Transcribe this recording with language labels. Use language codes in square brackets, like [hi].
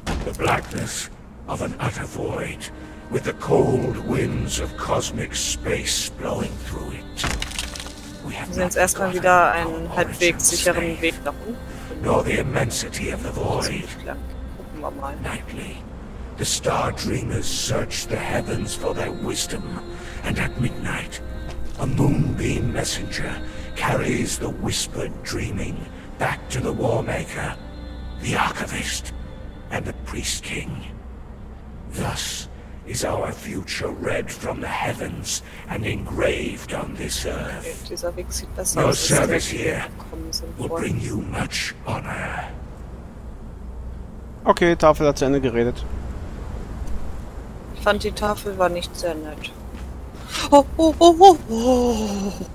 [en] The blackness of an utter void, with the cold winds of cosmic space blowing through it. [de] Wir sind jetzt erstmal wieder einen halbwegs sicheren Weg nach oben. [en] Nor the immensity of the void. [de] Gucken wir mal. [en] Nightly, the star dreamers searched the heavens for their wisdom, and at midnight, a moonbeam messenger carries the whispered dreaming back to the Warmaker, the Archivist, and the Priest King. Thus is our future read from the heavens and engraved on this earth. Your service here will bring you much honor. [de] Okay, Tafel hat zu Ende geredet. Ich fand die Tafel war nicht sehr nett. Oh, oh, oh, oh, oh.